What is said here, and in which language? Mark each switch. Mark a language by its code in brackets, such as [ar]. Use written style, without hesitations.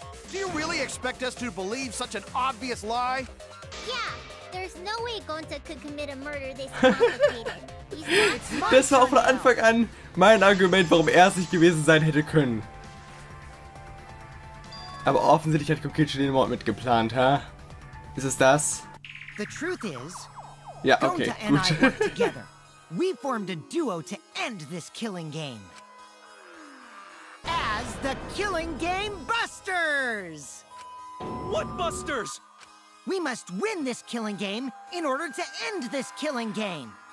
[en] Do you really expect us to believe such an obvious lie? Yeah, there's no way Gonta could commit a murder this complicated. [de] Das war auch von Anfang an mein Argument, warum er es nicht gewesen sein hätte können. Aber offensichtlich hat Kokichi den Mord mitgeplant, ha? Ist es das? [en] The truth is, [de] ja, okay, [en] Gonta and I work together. We formed a duo to end this killing game. As the Killing Game Busters! What busters? We must win this killing game in order to end this killing game.